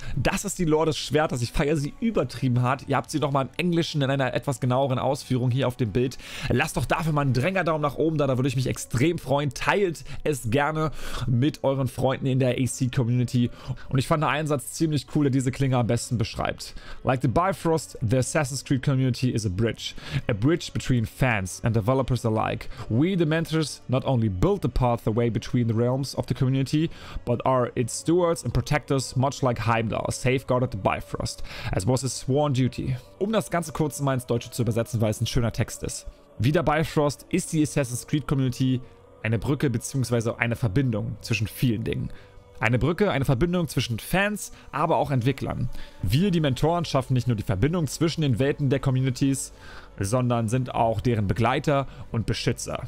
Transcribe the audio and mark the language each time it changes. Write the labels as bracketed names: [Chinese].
[German] Das ist die Lore des Schwertes. Ich feiere sie übertrieben hart. Ihr habt sie nochmal im Englischen in einer etwas genaueren Ausführung hier auf dem Bild. Lasst doch dafür mal einen Drängerdaumen nach oben da. Da würde ich mich extrem freuen. Teilt es gerne mit euren Freunden in der AC-Community. Und ich fand den Einsatz ziemlich cool, der diese Klinge am besten beschreibt. [English] Like the Bifrost, the Assassin's Creed Community is a bridge. A bridge between fans and developers alike. We, the mentors, not only build the pathway between the realms of the community, but are its Stewards and Protectors, much like Heimdall, safeguarded the Bifrost, as was his sworn duty. [German] Um das Ganze kurz mal ins Deutsche zu übersetzen, weil es ein schöner Text ist. Wie der Bifrost ist die Assassin's Creed Community eine Brücke bzw. eine Verbindung zwischen vielen Dingen. Eine Brücke, eine Verbindung zwischen Fans, aber auch Entwicklern. Wir, die Mentoren, schaffen nicht nur die Verbindung zwischen den Welten der Communities, sondern sind auch deren Begleiter und Beschützer.